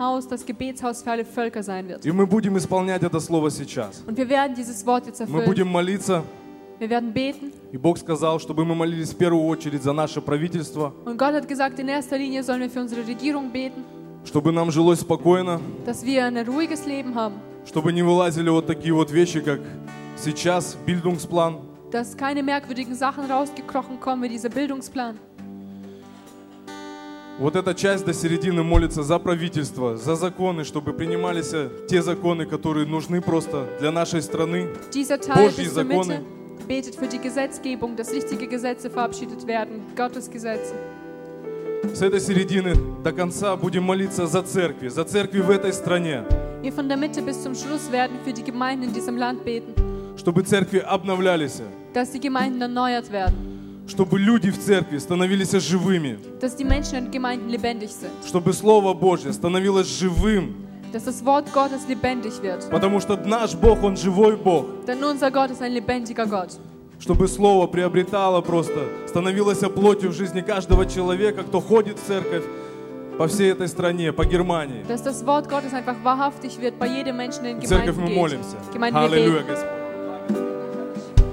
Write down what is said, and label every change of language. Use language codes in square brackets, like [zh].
[ru] И мы будем исполнять это слово сейчас. Мы будем молиться. [de] Wir werden beten. [ru] И Бог сказал, чтобы мы молились в первую очередь за наше правительство. [de] Und Gott hat gesagt, in erster Linie sollen wir für unsere Regierung beten. [ru] Чтобы нам жилось спокойно. [de] Dass wir ein ruhiges Leben haben. [ru] Чтобы не вылазили вот такие вот вещи, как сейчас Bildungsplan. [de] Dass keine merkwürdigen Sachen rausgekrochen kommen wie dieser Bildungsplan. [ru] Вот эта часть до середины молится за правительство, за законы, чтобы принимались те законы, которые нужны просто для нашей страны. [de] Dieser Teil Божьи bis законы. Zur Mitte betet für die Gesetzgebung, dass richtige Gesetze verabschiedet werden, Gottes Gesetze. [ru] С этой середины до конца будем молиться за церкви в этой стране. [de] Wir von der Mitte bis zum Schluss werden für die Gemeinden in diesem Land beten. [ru] Чтобы церкви обновлялись. [de] Dass die Gemeinden erneuert werden. [ru] Чтобы люди в церкви становились живыми. [de] Dass die Menschen in Gemeinden lebendig sind. [ru] Чтобы Слово Божье становилось живым. [de] Dass das Wort Gottes lebendig wird. [ru] Потому что наш Бог, Он живой Бог. [de] Denn unser Gott ist ein lebendiger Gott. [ru] Чтобы Слово приобретало просто, становилось плотью в жизни каждого человека, кто ходит в церковь. По всей этой стране, по Германии. [de] Dass das Wort Gottes einfach wahrhaftig wird bei jedem Menschen in Gemeinden. [ru] Церковь, мы молимся. [de] Gemeinden, [ru] Halleluja, Господь.